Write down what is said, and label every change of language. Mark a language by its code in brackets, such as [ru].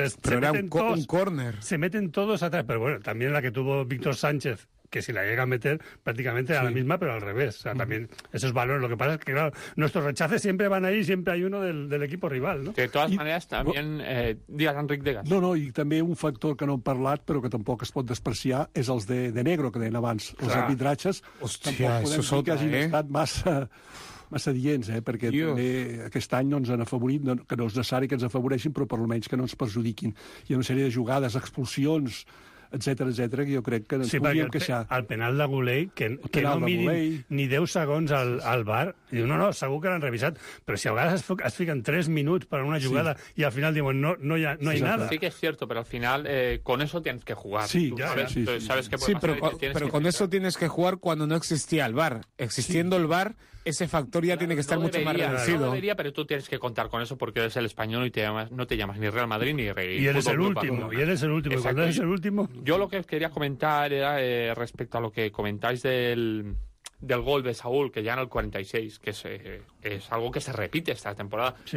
[es] Entonces, pero era un córner. Se meten todos atrás, pero bueno, también la que tuvo Víctor Sánchez, que si la llega a meter, prácticamente era sí. La misma, pero al revés. O sea, también esos valores. Lo que pasa es que, claro, nuestros rechaces siempre van ahí, siempre hay uno del equipo rival, ¿no? De todas maneras, también, digas, Enric Degas. [ca] No, i també un factor que no hem parlat, però que tampoc es pot despreciar, és els de negro, que deien abans, els arbitratges. Hòstia, tampoc podem dir que hagin estat massa dients, perquè també aquest any no ens han afavorit, no, que no és necessari que ens afavoreixin, però per almenys que no ens perjudiquin. Hi ha una sèrie de jugades, expulsions, etcètera, que jo crec que ens podríem queixar. El penal de Goulet, que no mirin Goulet ni 10 segons al VAR, diu, no, segur que l'han revisat, però si a vegades es fiquen 3 minuts per una jugada i al final diuen, no hi ha nada. Sí que és cert, però al final [es] con eso tienes que jugar. [ca] Sí, [es] però con eso tienes que jugar cuando no existía el VAR. Existiendo el VAR, ese factor ya tiene que estar mucho más reducido. No debería, pero tú tienes que contar con eso porque eres el español y no te llamas ni Real Madrid ni Rey. Y eres el último. Exacto. Cuando eres el último. Yo lo que quería comentar era respecto a lo que comentáis del gol de Saúl, que ya en el 46, que es algo que se repite esta temporada. Sí.